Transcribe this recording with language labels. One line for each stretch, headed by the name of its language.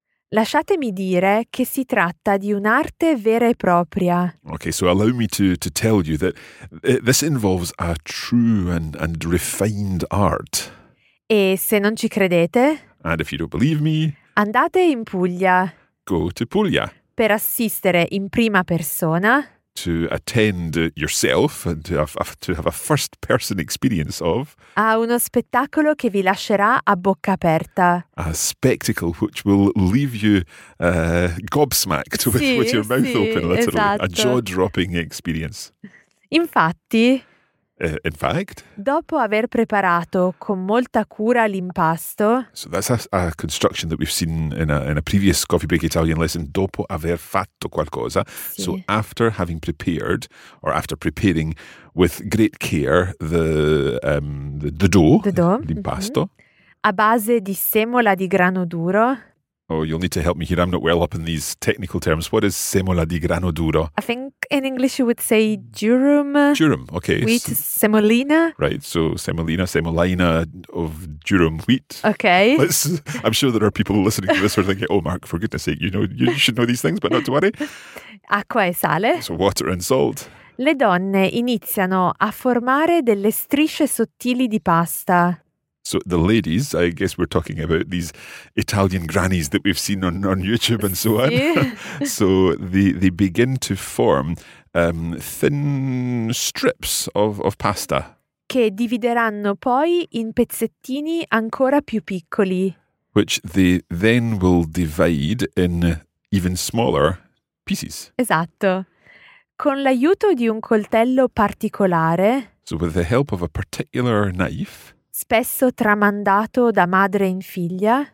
Italian: Lasciatemi dire che si tratta di un'arte vera e propria.
English: Okay, so allow me to tell you that this involves a true and refined art.
Italian: E se non ci credete?
English: And if you don't believe me?
Italian: Andate in Puglia.
English: Go to Puglia.
Italian: Per assistere in prima persona.
English: to attend yourself and to have a first person experience of.
Italian: A uno spettacolo che vi lascerà a bocca aperta.
English: A spectacle which will leave you gobsmacked with your mouth open, literally.
Italian: Esatto.
English: A jaw-dropping experience.
Italian: Infatti,
English: In fact,
Italian: dopo aver preparato con molta cura l'impasto,
English: so that's a construction that we've seen in a previous Coffee Break Italian lesson.
Italian: Dopo aver fatto qualcosa,
English: so after having prepared or after preparing with great care the dough, l'impasto,
Italian: a base di semola di grano duro.
English: Oh, you'll need to help me here. I'm not well up in these technical terms. What is semola di grano duro? I think in English you would say durum. Durum, okay. Wheat, semolina. Right, so semolina of durum wheat. Okay. I'm sure there are people listening to this who are thinking, oh, Mark, for goodness sake, you know, you should know these things, but not to worry.
Italian: Acqua e sale.
English: So water and salt.
Italian: Le donne iniziano a formare delle strisce sottili di pasta.
English: So the ladies, I guess we're talking about these Italian grannies that we've seen on YouTube and so on. So they begin to form thin strips of pasta.
Italian: Che divideranno poi in pezzettini ancora più piccoli.
English: Which they then will divide in even smaller pieces.
Italian: Esatto. Con l'aiuto di un coltello particolare.
English: So with the help of a particular knife.
Italian: Spesso tramandato da madre in figlia.